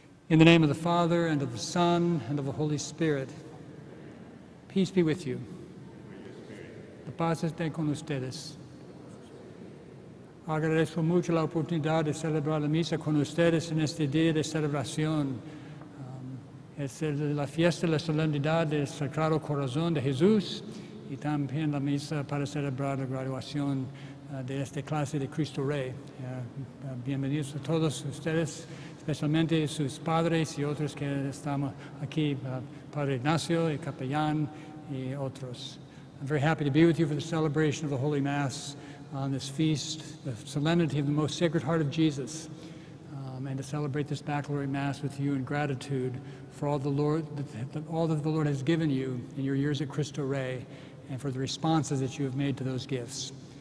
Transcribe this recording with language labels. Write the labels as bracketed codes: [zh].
[en] In the name of the Father, and of the Son, and of the Holy Spirit, peace be with you. [es] La paz esté con ustedes. Agradezco mucho la oportunidad de celebrar la misa con ustedes en este día de celebración. Es la fiesta de la solemnidad del Sacrado Corazón de Jesús y también la misa para celebrar la graduación de esta clase de Cristo Rey. Bienvenidos a todos ustedes, especialmente sus padres y otros que estamos aquí, Padre Ignacio y Capellán y otros. [en] I'm very happy to be with you for the celebration of the Holy Mass on this feast, the solemnity of the Most Sacred Heart of Jesus, and to celebrate this Baccalaureate Mass with you in gratitude for all the Lord, all that the Lord has given you in your years at Cristo Rey, and for the responses that you have made to those gifts.